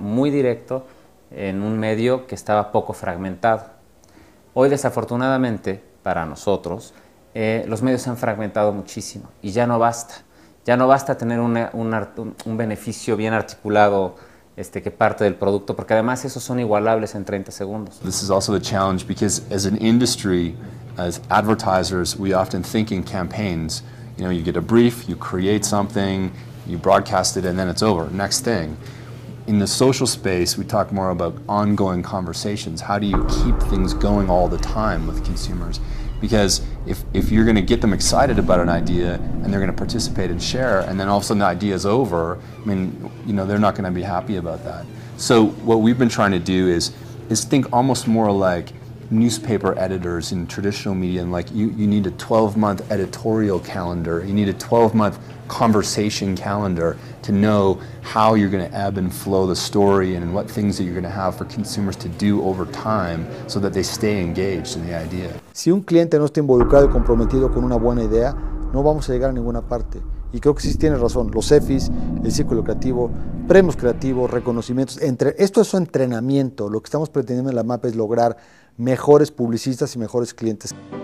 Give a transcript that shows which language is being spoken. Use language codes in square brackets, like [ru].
[es] Muy directo, en un medio que estaba poco fragmentado. Hoy, desafortunadamente, para nosotros, los medios se han fragmentado muchísimo y ya no basta. Ya no basta tener un beneficio bien articulado que parte del producto, porque además esos son igualables en 30 segundos. [en] This is also a challenge because as an industry, as advertisers, we often think in campaigns. You know, you get a brief, you create something, you broadcast it, and then it's over. Next thing. In the social space, we talk more about ongoing conversations. How do you keep things going all the time with consumers? Because if you're going to get them excited about an idea and they're going to participate and share, and then all of a sudden the idea is over, I mean, you know, they're not going to be happy about that. So what we've been trying to do is think almost more like newspaper editors in traditional media, and like you need a 12-month editorial calendar, you need a 12-month conversation calendar to know how you're going to ebb and flow the story and what things that you're going to have for consumers to do over time so that they stay engaged in the idea. [es] Si un cliente no está involucrado y comprometido con una buena idea, no vamos a llegar a ninguna parte. Y creo que sí tiene razón, los EFIs, el círculo creativo, premios creativos, reconocimientos, entre esto es su entrenamiento. Lo que estamos pretendiendo en la MAP es lograr mejores publicistas y mejores clientes.